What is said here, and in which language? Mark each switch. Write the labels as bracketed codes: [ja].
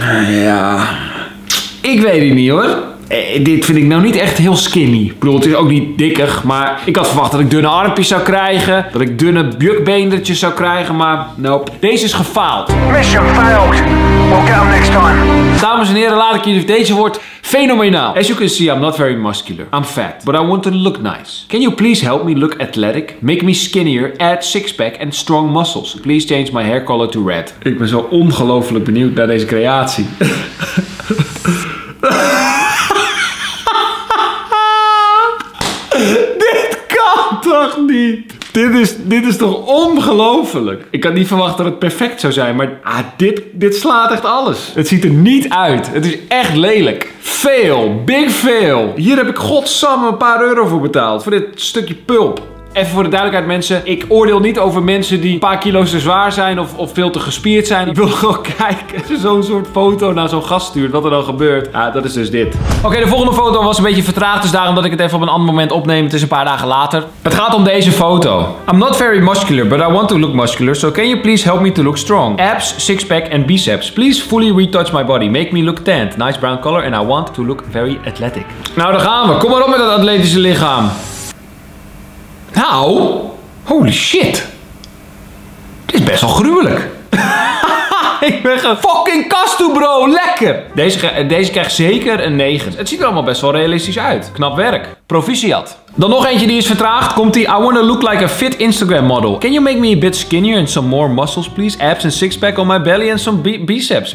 [nl] Ja. Ik weet het niet hoor. Dit vind ik nou niet echt heel skinny. Ik bedoel, het is ook niet dikkig, maar ik had verwacht dat ik dunne armpjes zou krijgen. Dat ik dunne bukbeendertjes zou krijgen, maar nope. Deze is gefaald. [en] Mission failed. We'll get them next time. [nl] Dames en heren, laat ik jullie deze woord fenomenaal. [en] As you can see, I'm not very muscular. I'm fat, but I want to look nice. Can you please help me look athletic? Make me skinnier, add six-pack and strong muscles. Please change my hair color to red. [nl] Ik ben zo ongelooflijk benieuwd naar deze creatie. Toch niet. Dit is toch ongelofelijk. Ik had niet verwacht dat het perfect zou zijn, maar dit slaat echt alles. Het ziet er niet uit. Het is echt lelijk. [en] Fail. Big fail. [nl] Hier heb ik godsamme een paar euro voor betaald. Voor dit stukje pulp. Even voor de duidelijkheid mensen, ik oordeel niet over mensen die een paar kilo's te zwaar zijn of veel te gespierd zijn. Ik wil gewoon kijken als je zo'n soort foto naar zo'n gast stuurt, wat er dan gebeurt. Ja, dat is dus dit. Oké, de volgende foto was een beetje vertraagd, dus daarom dat ik het even op een ander moment opneem. Het is een paar dagen later. Het gaat om deze foto. [en] I'm not very muscular, but I want to look muscular, so can you please help me to look strong? Abs, six pack and biceps. Please fully retouch my body. Make me look tanned. Nice brown color and I want to look very athletic. [nl] Nou, daar gaan we. Kom maar op met dat atletische lichaam. Nou, [en] holy shit. [nl] Dit is best wel gruwelijk. Ik ben een fucking kastu bro, lekker. Deze krijgt zeker een 9. Het ziet er allemaal best wel realistisch uit. Knap werk. Proficiat. Dan nog eentje die is vertraagd. Komt die. [en] I wanna look like a fit Instagram model. Can you make me a bit skinnier and some more muscles please? Abs and six pack on my belly and some biceps.